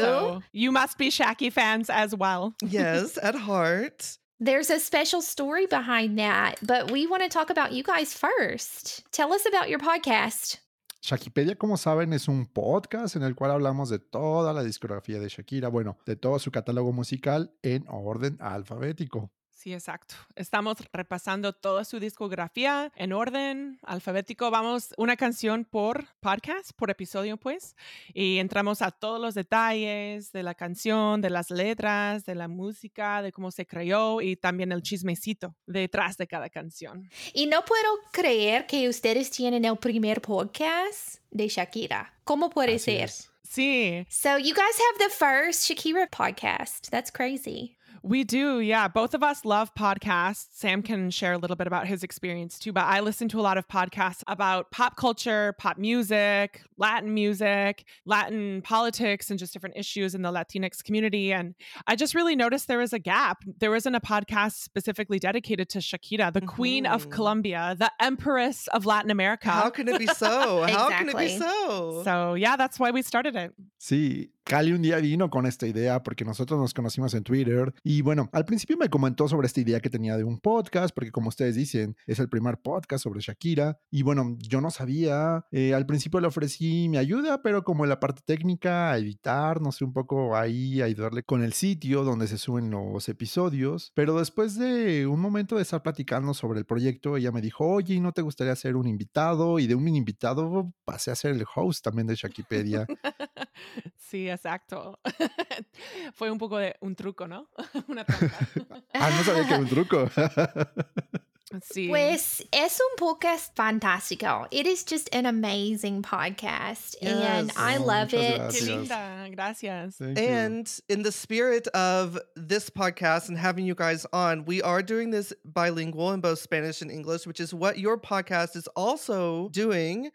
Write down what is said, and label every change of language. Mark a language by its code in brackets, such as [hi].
[en] So you must be Shaki fans as well. Yes, at heart. There's a special story behind that, but we want to talk about you guys first. Tell us about your podcast. [es] Shakipedia, como saben, es un podcast en el cual hablamos de toda la discografía de Shakira, bueno, de todo su catálogo musical en orden alfabético. Sí, exacto. Estamos repasando toda su discografía en orden alfabético. Vamos una canción por podcast, por episodio, pues, y entramos a todos los detalles de la canción, de las letras, de la música, de cómo se creó y también el chismecito detrás de cada canción. Y no puedo creer que ustedes tienen el primer podcast de Shakira. ¿Cómo puede Así ser? Es. Sí. [en] So you guys have the first Shakira podcast. That's crazy. We do, yeah. Both of us love podcasts. Sam can share a little bit about his experience too, but I listen to a lot of podcasts about pop culture, pop music, Latin politics, and just different issues in the Latinx community. And I just really noticed there was a gap. There wasn't a podcast specifically dedicated to Shakira, the queen of Colombia, the empress of Latin America. How can it be so? So yeah, that's why we started it. [es] Sí. Cali un día vino con esta idea porque nosotros nos conocimos en Twitter y bueno, al principio me comentó sobre esta idea que tenía de un podcast porque como ustedes dicen, es el primer podcast sobre Shakira y bueno, yo no sabía, al principio le ofrecí mi ayuda, pero como la parte técnica, a editar, no sé, un poco ahí, ayudarle con el sitio donde se suben los episodios, pero después de un momento de estar platicando sobre el proyecto, ella me dijo, oye, ¿no te gustaría ser un invitado? Y de un mini invitado pasé a ser el host también de Shakipedia. Sí, exacto. Fue un poco de un truco, ¿no? Una trampa. Ah, no sabía que era un truco. Sí. Pues es un podcast fantástico. [en] It is just an amazing podcast. Yes. And I love it. [es] Gracias. Qué linda. Gracias. [en] Thank and you. In the spirit of this podcast and having you guys on, we are doing this bilingual in both Spanish and English, which is what your podcast is also doing.